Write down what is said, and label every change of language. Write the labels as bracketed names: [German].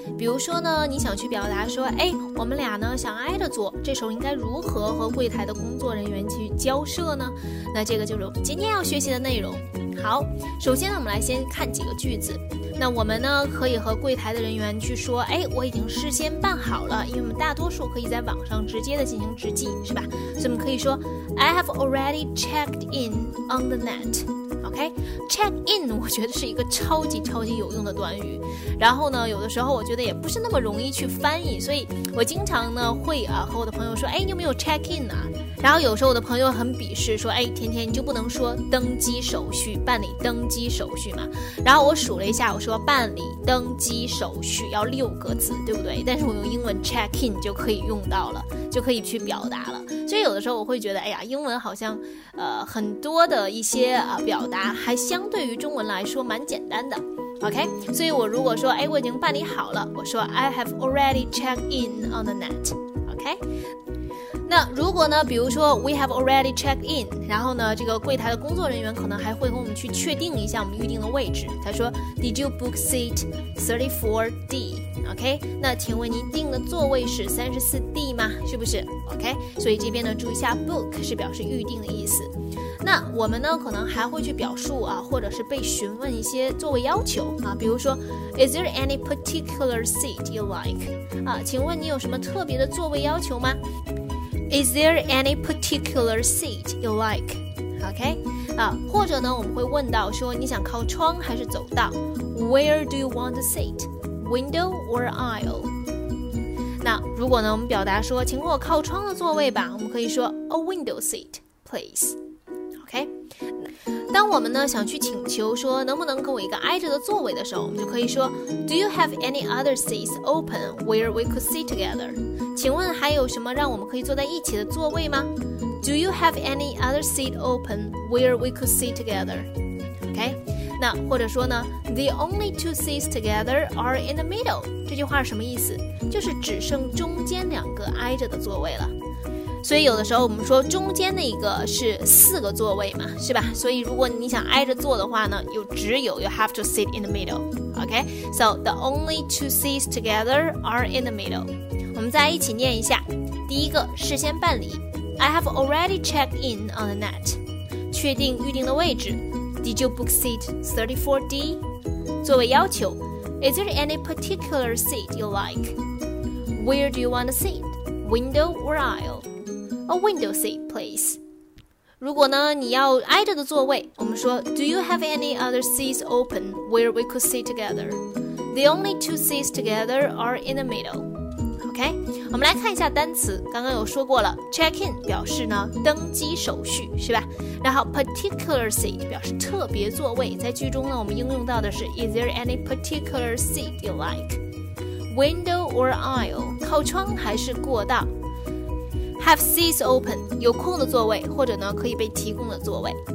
[Chinese] 比如说呢，你想去表达说，哎，我们俩呢想挨着坐，这时候应该如何和柜台的工作人员去交涉呢？那这个就是今天要学习的内容。好，首先呢，我们来先看几个句子。那我们呢可以和柜台的人员去说，哎，我已经事先办好了，因为我们大多数可以在网上直接的进行直击，是吧？所以我们可以说 [English] I have already checked in on the net。 [Chinese] OK， check in 我觉得是一个超级超级有用的短语，然后呢有的时候我觉得也不是那么容易去翻译，所以我经常呢会啊和我的朋友说，哎，你有没有 check in 啊？然后有时候我的朋友很鄙视说，哎，天天你就不能说登机手续，办理登机手续嘛？然后我数了一下，我说办理登机手续要六个字，对不对？但是我用英文 check in 就可以用到了，就可以去表达了。所以有的时候我会觉得，哎呀，英文好像很多的一些表达还相对于中文来说蛮简单的。 OK， 所以我如果说，哎，我已经办理好了，我说 [English] I have already checked in on the net。 OK。 [Chinese] 那如果呢比如说 [English] we have already checked in， [Chinese] 然后呢这个柜台的工作人员可能还会跟我们去确定一下我们预定的位置，他说 [English] did you book seat 34D？ [Chinese] OK， 那请问您订的座位是 34D 吗？是不是？ OK， 所以这边呢注意一下 book 是表示预定的意思。那我们呢可能还会去表述啊，或者是被询问一些座位要求啊，比如说 [English] is there any particular seat you like？ [Chinese] 啊，请问你有什么特别的座位要求吗？ [English] Is there any particular seat you like? [Chinese] OK， 啊，或者呢，我们会问到说你想靠窗还是走道 ？ [English] Where do you want the seat? Window or aisle? [Chinese] 那如果呢，我们表达说请给我靠窗的座位吧，我们可以说 [English] a window seat, please. [Chinese] OK， 当我们呢想去请求说能不能给我一个挨着的座位的时候，我们就可以说 [English] Do you have any other seats open where we could sit together? [Chinese] 请问还有什么让我们可以坐在一起的座位吗？ [English] Do you have any other seat open where we could sit together? OK， [Chinese] 那或者说呢 [English] The only two seats together are in the middle。 [Chinese] 这句话是什么意思？就是只剩中间两个挨着的座位了。所以有的时候我们说中间那个是四个座位嘛，是吧？所以如果你想挨着坐的话呢，又只有 [English] You have to sit in the middle。 OK， So the only two seats together are in the middle。 [Chinese] 我们再一起念一下，第一个事先办理 ， [English] I have already checked in on the net， [Chinese] 确定预定的位置 ， [English] Did you book seat 34D？ [Chinese] 座位要求 [English] ，Is there any particular seat you like？Where do you want a seat？Window or aisle？A window seat, please。 [Chinese] 如果呢你要挨着的座位，我们说 [English] ，Do you have any other seats open where we could sit together？The only two seats together are in the middle。 [Chinese] OK， 我们来看一下单词，刚刚有说过了 check in 表示呢登机手续，是吧？然后 particular seat 表示特别座位，在句中呢我们应用到的是 [English] is there any particular seat you like， window or aisle [Chinese] 靠窗还是过道， [English] have seats open [Chinese] 有空的座位，或者呢可以被提供的座位。